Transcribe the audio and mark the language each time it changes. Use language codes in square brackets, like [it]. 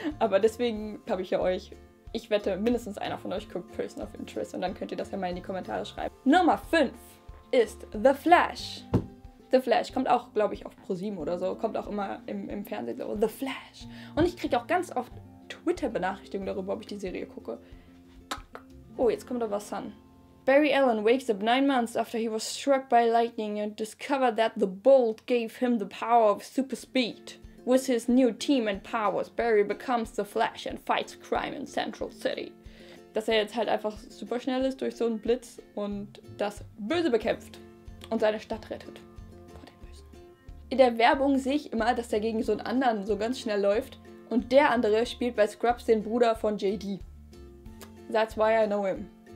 [de] Aber deswegen habe ich ja euch, ich wette, mindestens einer von euch guckt Person of Interest und dann könnt ihr das ja mal in die Kommentare schreiben. Nummer 5 ist The Flash. The Flash kommt auch, glaube ich, auf ProSieben oder so. Kommt auch immer im Fernsehen so, The Flash. Und ich kriege auch ganz oft Twitter-Benachrichtigungen darüber, ob ich die Serie gucke. Oh, jetzt kommt aber Sun. [en] Barry Allen wakes up 9 months after he was struck by lightning and discovered that the bolt gave him the power of super speed. With his new team and powers, Barry becomes The Flash and fights crime in Central City. [de] Dass er jetzt halt einfach super schnell ist durch so einen Blitz und das Böse bekämpft und seine Stadt rettet. In der Werbung sehe ich immer, dass der gegen so einen anderen so ganz schnell läuft und der andere spielt bei Scrubs den Bruder von JD. [en] That's why I know him.